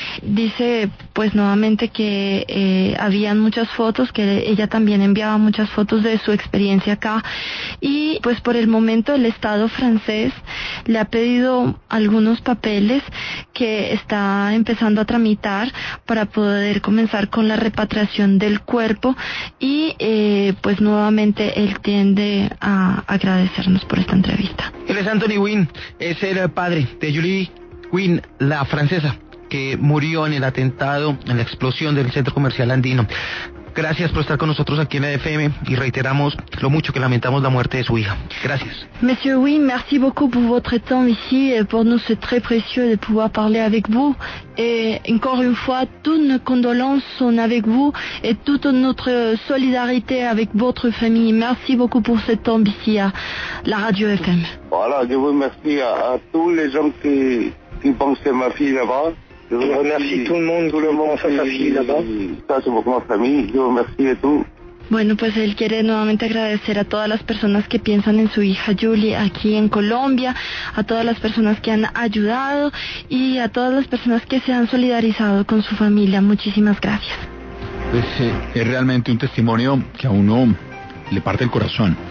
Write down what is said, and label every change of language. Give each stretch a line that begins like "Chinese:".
Spanish: Dice pues nuevamente que habían muchas fotos, que ella también enviaba muchas fotos de su experiencia acá, y pues por el momento el Estado francés le ha pedido algunos papeles que está empezando a tramitar para poder comenzar con la repatriación del cuerpo, y pues nuevamente él tiende a agradecernos por esta entrevista. Él es Anthony Wynn, es el padre de Julie Wynn, la francesa que murió en el atentado, en la explosión del centro comercial andino. Gracias por estar con nosotros aquí en la FM y reiteramos lo mucho que lamentamos la muerte de su hija. Gracias.
French: Monsieur Wynn, merci beaucoup pour votre temps ici. Pour nous, c'est très précieux de pouvoir parler avec vous. Et encore une fois, toutes nos condoléances sont avec vous et toute notre solidarité avec votre famille. Merci beaucoup pour ce temps ici à la Radio FM. Voilà, je vous remercie à tous les gens qui pensent à ma fille là-bas. Je vous remercie tout le monde.
Spanish: Bueno, pues él quiere nuevamente agradecer a todas las personas que piensan en su hija Julie aquí en Colombia, a todas las personas que han ayudado y a todas las personas que se han solidarizado con su familia. Muchísimas gracias. Pues es realmente un testimonio que a uno le parte el corazón.